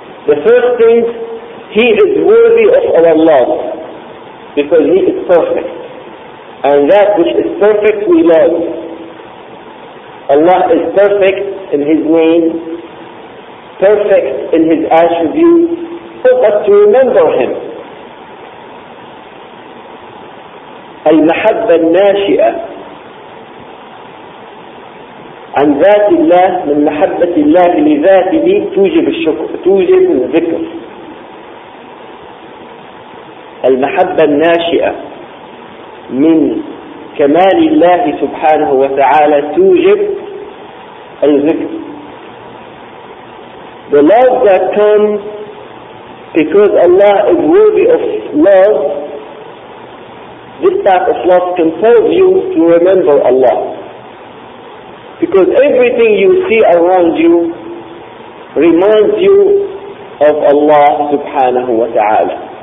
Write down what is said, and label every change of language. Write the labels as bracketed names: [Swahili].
[English] The first thing, He is worthy of our love because He is perfect. And that which is perfect, we love. Allah is perfect in His name, perfect in His attributes, help us to remember Him. [Arabic] المحبة الناشئة عن ذات الله من محبة الله لذاته توجب الشكر توجب الذكر المحبة الناشئة من كمال الله سبحانه وتعالى توجب الذكر. [English] The love that comes because Allah is worthy of love, this type of love compels you to remember Allah. Because everything you see around you reminds you of Allah subhanahu wa ta'ala.